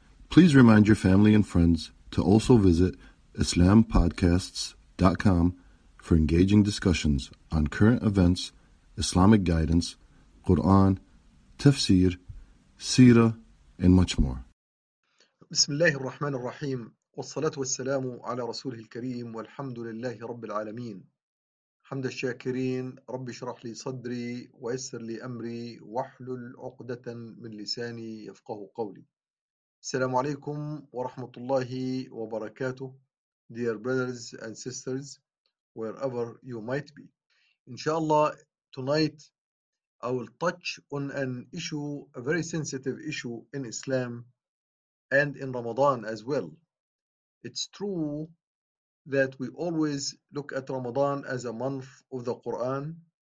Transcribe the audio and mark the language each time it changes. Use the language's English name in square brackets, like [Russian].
[English] Please remind your family and friends to also visit IslamPodcasts.com for engaging discussions on current events, Islamic guidance, Quran, tafsir, seerah, and much more. [Arabic] بسم الله الرحمن الرحيم والصلاة والسلام على رسوله الكريم والحمد لله رب العالمين حمد الشاكرين رب اشرح لي صدري ويسر لي أمري واحلل عقدة من لساني يفقه قولي. السلام عليكم ورحمة الله وبركاته. [English] Dear brothers and sisters, wherever you might be. إن شاء الله tonight I will touch on an issue, a very sensitive issue in Islam and in Ramadan as well. It's true that we always look at Ramadan as a month of the Quran.